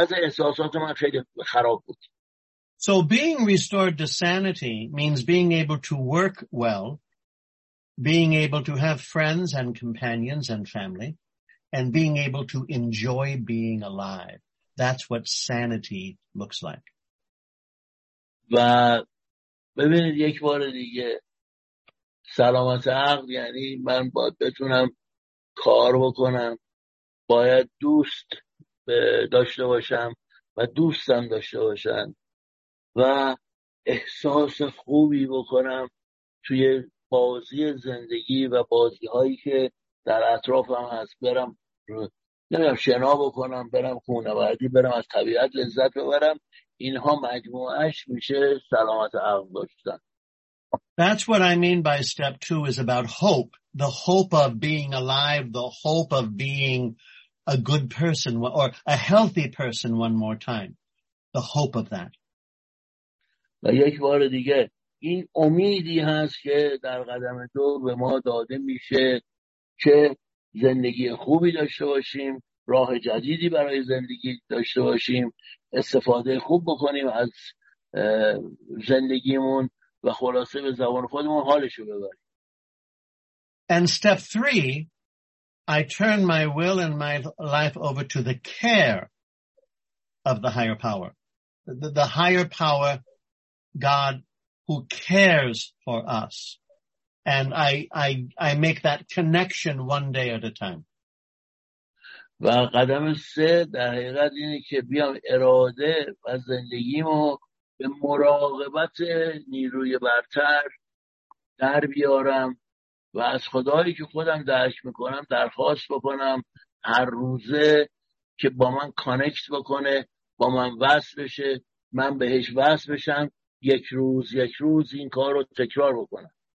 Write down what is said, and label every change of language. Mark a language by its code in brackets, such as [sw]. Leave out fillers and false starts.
[en] So being restored to sanity means being able to work well, being able to have friends and companions and family, and being able to enjoy being alive. That's what sanity looks like. [fa] و ببینید یک بار دیگه سلامت عقل یعنی من باید بتونم کار بکنم. باید دوست داشته باشم و دوستم داشته باشن و احساس خوبی بکنم توی بازی زندگی و بازی هایی که در اطرافم هست برم نمیدونم شنا بکنم برم کوهنوردی برم از طبیعت لذت ببرم اینها مجموعش میشه سلامت عقل داشتن. [en] That's what I mean by step 2 is about hope, the hope of being alive, the hope of being a good person or a healthy person one more time. The hope of that. [fa] و یک بار دیگه این امیدی هست که در قدم دو به ما داده میشه که زندگی خوبی داشته باشیم، راه جدیدی برای زندگی داشته باشیم، استفاده خوب بکنیم از زندگیمون و خلاصه به زبان خودمون حالشو ببریم. [en] And step 3, I turn my will and my life over to the care of the higher power. The higher power, God, who cares for us. And I make that connection one day at a time. [fa] و قدم سه در حقیقت اینه که بیام اراده و زندگیمو به مراقبت نیروی برتر در بیارم. و از خدایی که خودم درک میکنم درخواست بکنم هر روزه که با من کانکت بکنه با من وصل بشه من بهش وصل بشم یک روز این کار رو تکرار بکنم.